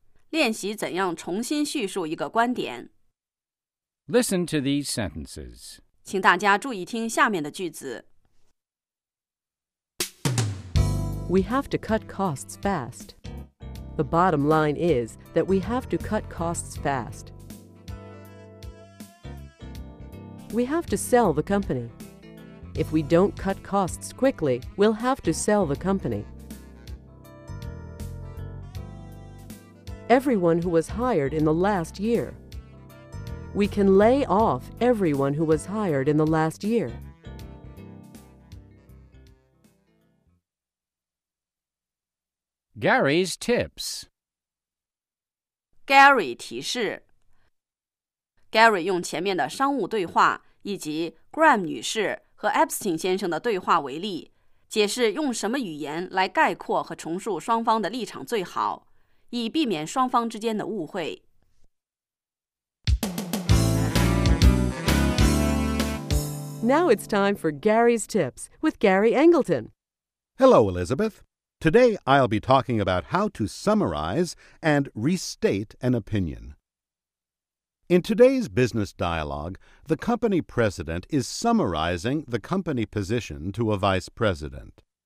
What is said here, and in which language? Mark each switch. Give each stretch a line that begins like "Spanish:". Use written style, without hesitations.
Chinese: 练习怎样重新叙述一个观点。
English: Listen to these sentences.
Chinese: 请大家注意听下面的句子。
English: We have to cut costs fast. The bottom line is that we have to cut costs fast. We have to sell the company. If we don't cut costs quickly, we'll have to sell the company. Everyone who was hired in the last year. We can lay off everyone who was hired in the last year. Gary's tips.
Chinese: Gary 提示。 Gary 用前面的商务对话以及 Graham 女士和 Epstein 先生的对话为例，解释用什么语言来概括和重述双方的立场最好，以避免双方之间的误会。
English: Now it's time for Gary's Tips with Gary Angleton. Hello, Elizabeth. Today I'll be talking about how to summarize and restate an opinion. In today's business dialogue, the company president is summarizing the company position to a vice president.